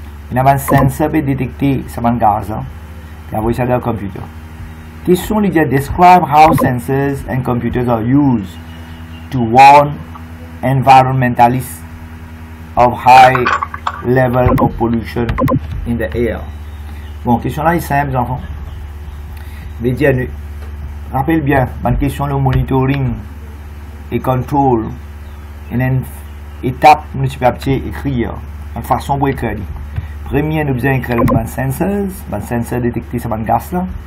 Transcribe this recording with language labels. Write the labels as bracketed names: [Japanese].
[French] Il y a un sensor pour détecter ce gaz. Et envoyer ça dans le computer. [English] Question Lydia, describe how sensors and computers are used to warn environmentalists of high level of pollution in the air. [French] Bon, question là est simple, enfant. Lydia, rappelle bien, ma question le monitoring et contrôle, et une étape, nous sommes capables d'écrire, une façon pour écrire. Premier, nous devons écrire le bon sensor, détecter ce gaz là.